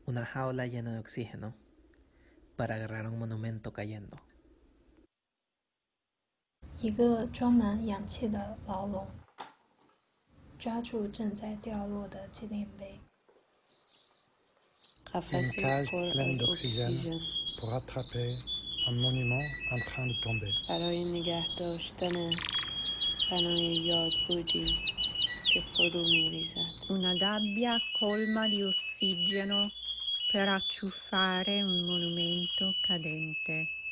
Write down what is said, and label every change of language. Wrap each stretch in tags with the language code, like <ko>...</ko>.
<es>Una jaula llena de oxígeno para agarrar un monumento cayendo.</es> <zh>一个装满氧气的牢笼, 抓住正在掉落的纪念碑。</zh> <fr>Une cage pleine d'oxygène pour attraper un monument en train de tomber.</fr> <it>Una gabbia colma di ossigeno per acciuffare un monumento cadente.</it>